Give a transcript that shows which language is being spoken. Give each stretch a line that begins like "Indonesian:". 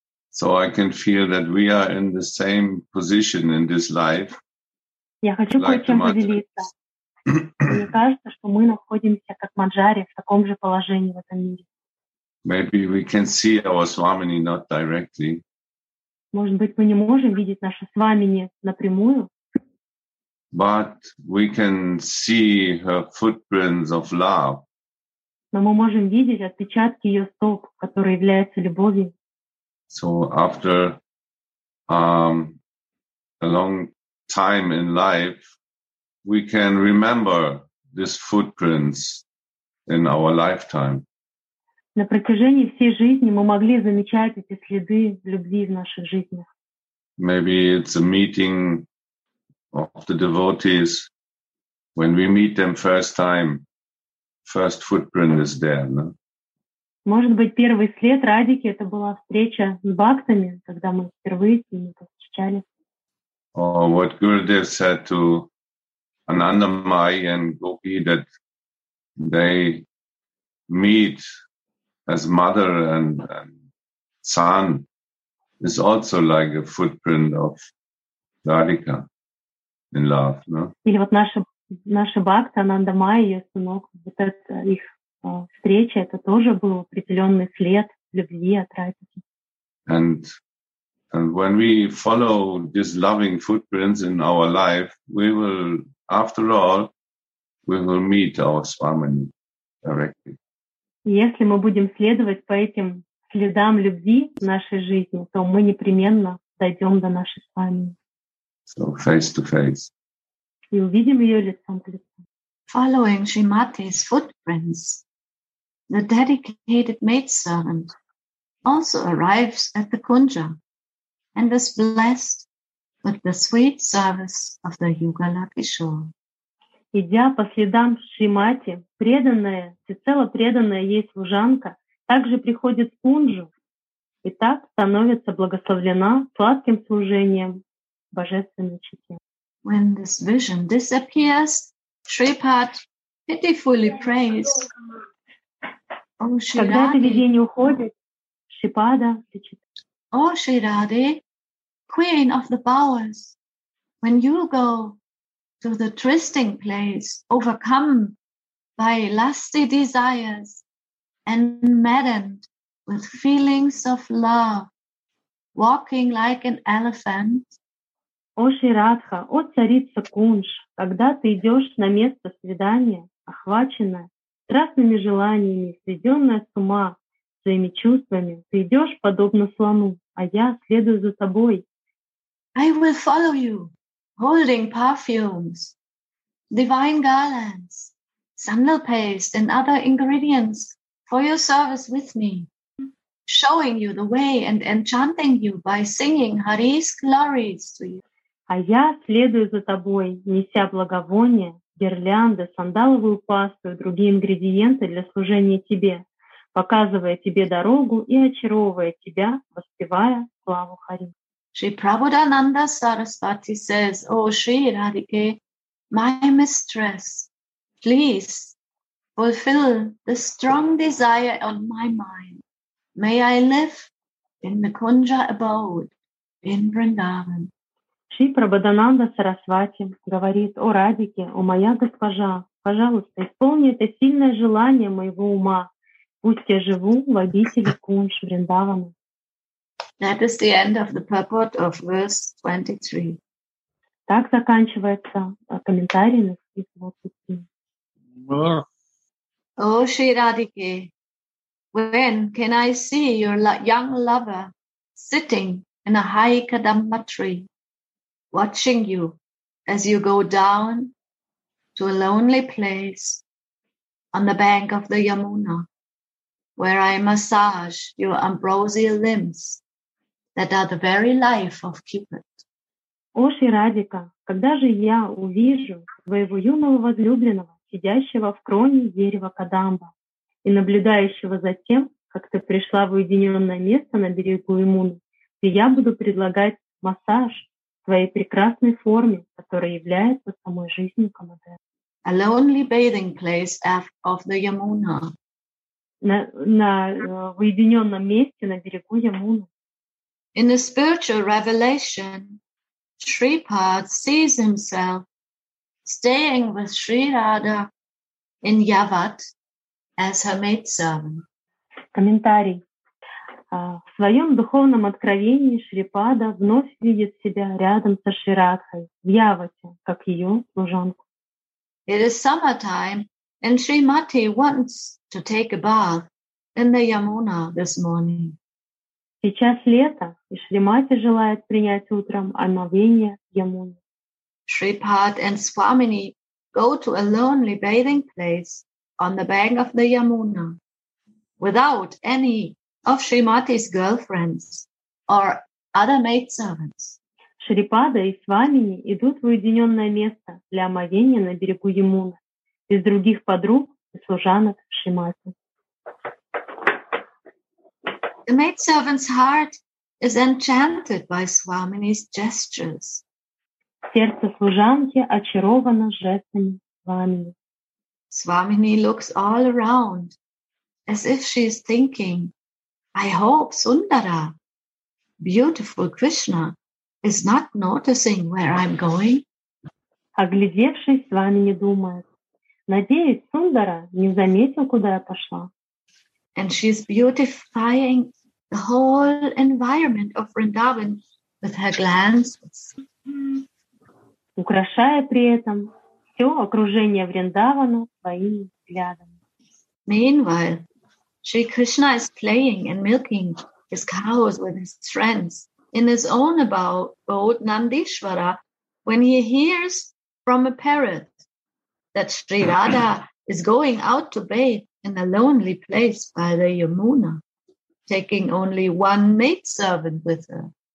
English: So I can feel that we are in the same position in this life.
Russian: Я хочу кое-чем поделиться. Мне кажется, что мы находимся как Маджари в таком же положении в этом мире.
English: Maybe we can see our Swamini not directly.
Russian: Может быть, мы не можем видеть наше Свамини напрямую.
English: But we can see her footprints of love.
Russian: Но мы можем видеть отпечатки ее стоп, которые являются любовью.
English: So after a long time in life, we can remember these footprints in our lifetime.
Russian: На протяжении всей жизни мы могли замечать эти следы любви в наших жизнях.
English: Maybe it's a meeting of the devotees. When we meet them first time, first footprint is there, no?
Russian: Может быть, первый след Радики — это была встреча с бхактами, когда мы впервые с ними повстречались.
English: Or what Gurudev said to Anandamai and Gopi, that they meet as mother and son, is also like a footprint of Radhika in love, no?
Russian: Или вот наша бхакта Анандамай, ее сынок, вот это их встреча, это тоже был определенный след любви от Радики.
English: And when we follow these loving footprints in our life, we will, after all, we will meet our Swamini directly.
Russian: Если мы будем следовать по этим следам любви в нашей жизни, то мы непременно дойдем до нашей Свамини.
English: So face to face.
Russian: И увидим ее лицом к лицу.
English: Following Shrimati's footprints, the dedicated maidservant also arrives at the kunja and is blessed with the sweet service of the Yugala Kishore.
Russian: Идя по следам Шримати, преданная, всецело преданная ей служанка, также приходит в кунжу и так становится благословлена сладким служением божественной чете.
English: When this vision disappears, Shripad pitifully prays.
Russian: Когда это видение уходит, Шипада кричит.
English: О, Шри Раде, queen of the bowers, when you go to the trysting place, overcome by lusty desires and maddened with feelings of love, walking like an elephant.
Russian: О, Шри Радха, о, царица Кунш, когда ты идешь на место свидания, охваченная страстными желаниями, сведенная с ума своими чувствами, ты идешь подобно слону, а я следую за тобой.
English: I will follow you, holding perfumes, divine garlands, sandal paste and other ingredients for your service with me, showing you the way and enchanting you by singing Hari's glories to you.
Russian: А я следую за тобой, неся благовоние, гирлянды, сандаловую пасту и другие ингредиенты для служения тебе, показывая тебе дорогу и очаровывая тебя, воспевая славу Хари.
English: Шри Прабхудананда Сарасвати says, O Shri Radhike, my mistress, please fulfill the strong desire on my mind. May I live in the Kunja abode in Vrindavan.
Russian: Шри Прабхудананда Сарасвати говорит: «О, Радике, о, моя госпожа, пожалуйста, исполни это сильное желание моего ума. Пусть я живу в обители Кунш Вриндавана».
English: That is the end of the purport of verse 23.
Russian: Так заканчивается комментарий на стих 23.
English: О, Шри Радике, when can I see your young lover sitting in a high kadamba tree, watching you as you go down to a lonely place on the bank of the Yamuna? where I massage your ambrosial limbs that are the very life of Cupid.
Russian: О, Ширадика, когда же я увижу твоего юного возлюбленного, сидящего в кроне дерева Кадамба и наблюдающего за тем, как ты пришла в уединенное место на берегу Имуны, где я буду предлагать массаж твоей прекрасной форме, которая является самой жизнью Камадера.
English: A lonely bathing place of the Yamuna.
Russian: На уединенном месте на берегу Ямуны.
English: In the spiritual revelation, Shripad sees himself staying with Sri Radha in Yavat as her maidservant.
Russian: Комментарий. В своем духовном откровении Шрипада вновь видит себя рядом со Шри Радхой в Явате, как ее служанку.
English: It is summertime, and Srimati wants to take a bath in the Yamuna this morning.
Russian: Сейчас лето, и Шримати желает принять утром омовение в Ямуне.
English: Shripad and Swamini go to a lonely bathing place on the bank of the Yamuna without any of Shrimati's girlfriends or other maidservants.
Russian: Шрипада и Свамини идут в уединенное место для омовения на берегу Ямуны без других подруг и служанок Шримати.
English: The maidservant's heart is enchanted by Swamini's gestures.
Russian: Сердце служанки очаровано жестами Свамини.
English: Swamini looks all around as if she is thinking, I hope Sundara, beautiful Krishna, is not noticing where I'm going.
Russian: Оглядевшись, Свамини думает, надеюсь, Сундара не заметил, куда я пошла.
English: And she is beautifying the whole environment of Vrindavan with her glances.
Russian: Украшая при этом все окружение Вриндавана своими взглядами.
English: Meanwhile, Sri Krishna is playing and milking his cows with his friends in his own abode, Nandishvara, when he hears from a parrot that Sri Radha is going out to bathe in a lonely place by the Yamuna, taking only one maidservant with her.